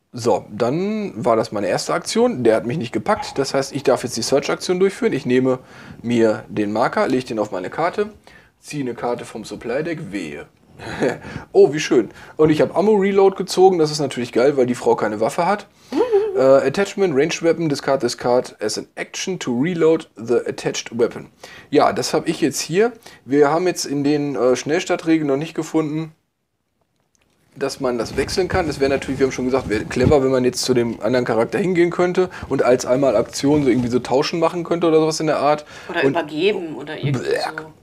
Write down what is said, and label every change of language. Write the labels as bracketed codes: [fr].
[de] So, dann war das meine erste Aktion, der hat mich nicht gepackt, das heißt, ich darf jetzt die Search-Aktion durchführen, ich nehme mir den Marker, lege den auf meine Karte, ziehe eine Karte vom Supply-Deck, wehe. Oh, wie schön. Und ich habe Ammo-Reload gezogen, das ist natürlich geil, weil die Frau keine Waffe hat. [en] Attachment, Ranged Weapon, discard this card as an action to reload the attached weapon. [de] Ja, das habe ich jetzt hier. Wir haben jetzt in den Schnellstartregeln noch nicht gefunden, dass man das wechseln kann. Das wäre natürlich, wir haben schon gesagt, wäre clever, wenn man jetzt zu dem anderen Charakter hingehen könnte und als einmal Aktion so irgendwie so tauschen machen könnte oder sowas in der Art. Oder und übergeben oder irgendwie so.